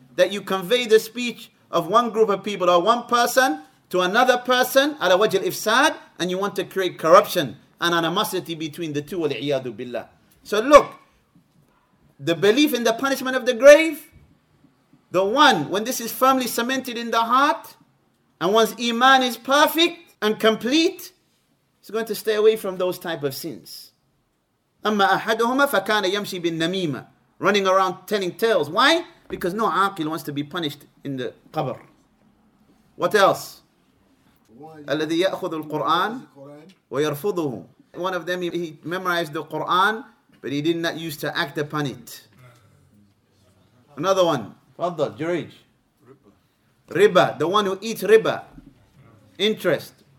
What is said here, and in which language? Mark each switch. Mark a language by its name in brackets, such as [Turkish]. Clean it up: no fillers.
[English] That you convey the speech of one group of people or one person to another person, [Arabic] ala wajil ifsad, [English] and you want to create corruption and animosity between the two, wal-iyadu billah. So look, the belief in the punishment of the grave, the one, when this is firmly cemented in the heart, and one's iman is perfect and complete, is going to stay away from those type of sins. [Arabic] أَمَّا أَحَدُهُمَا فَكَانَ يَمْشِي بِالنَّمِيمَةِ, [English] running around telling tales. Why? Because no aqil wants to be punished in the qabr. What else? [Arabic] الَّذِي يَأْخُذُ الْقُرْآنَ وَيَرْفُضُهُ. [English] One of them, he memorized the Qur'an, but he did not use to act upon it. Another one. Faddal, Jurij. Riba, the one who eats riba. Interest.